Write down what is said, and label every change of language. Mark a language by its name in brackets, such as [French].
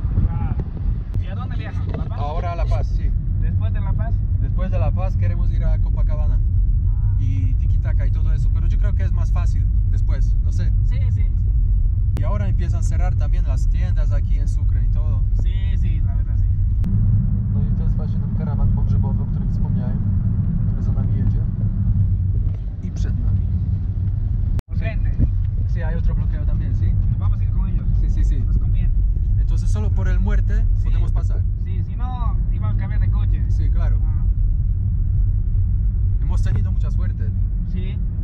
[Spanish] Ah, ¿y a dónde viajan? Ahora a La Paz, sí. ¿Después de La Paz? Después de La Paz queremos ir a Copacabana y Tiki Taka y todo eso, pero yo creo que es más fácil después, no sé. Sí, sí. Y ahora empiezan a cerrar también las tiendas aquí en Sucre y todo. Sí, sí, la verdad sí. No, y [Polish] teraz właśnie ten karawan pogrzebowy, o którym wspomniałem, który za nami jedzie i przed nami. [Spanish] Urgente. Sí, hay otro bloqueo también, sí. Vamos a ir con ellos. Sí, sí, sí. Nos conviene. Entonces solo por el muerte sí, podemos pasar. Sí, si no, iban a cambiar de coche. Sí, claro. Hemos tenido mucha suerte. Sí.